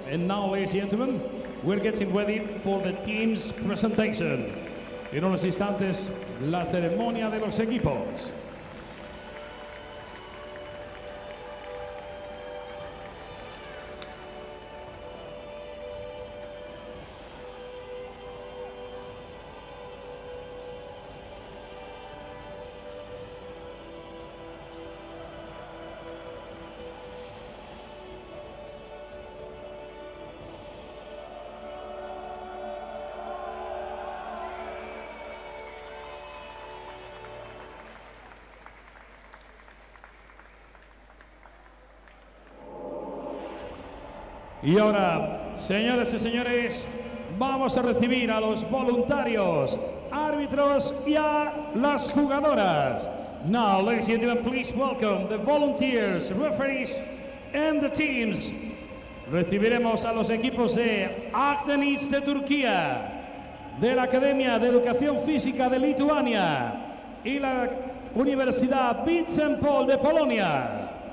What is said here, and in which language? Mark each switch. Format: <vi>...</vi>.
<en>And now, ladies and gentlemen, we're getting ready for the team's presentation.</en> <es>En unos instantes, la ceremonia de los equipos. Y ahora, señores y señores, vamos a recibir a los voluntarios, árbitros y a las jugadoras.</es> <en>Now, ladies and gentlemen, please welcome the volunteers, referees and the teams.</en> <es>Recibiremos a los equipos de Akdeniz de Turquía, de la Academia de Educación Física de Lituania y la Universidad Vincent Paul de Polonia.</es>